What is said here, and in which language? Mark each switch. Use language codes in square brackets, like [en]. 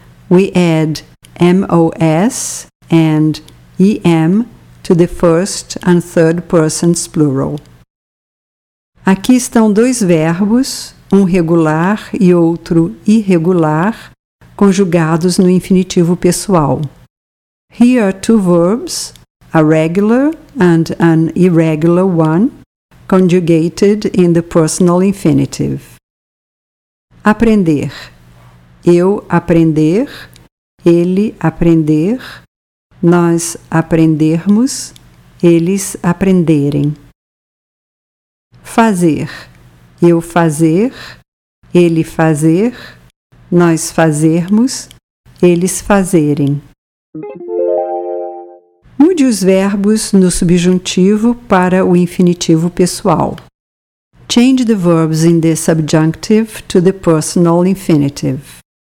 [en] We add MOS and EM to the first and third persons plural. [pt] Aqui estão dois verbos, um regular e outro irregular, conjugados no infinitivo pessoal. [en] Here are two verbs, a regular and an irregular one, conjugated in the personal infinitive. [pt] Aprender. Eu aprender. Ele aprender, nós aprendermos, eles aprenderem. Fazer, eu fazer, ele fazer, nós fazermos, eles fazerem. Mude os verbos no subjuntivo para o infinitivo pessoal. [en] Change the verbs in the subjunctive to the personal infinitive.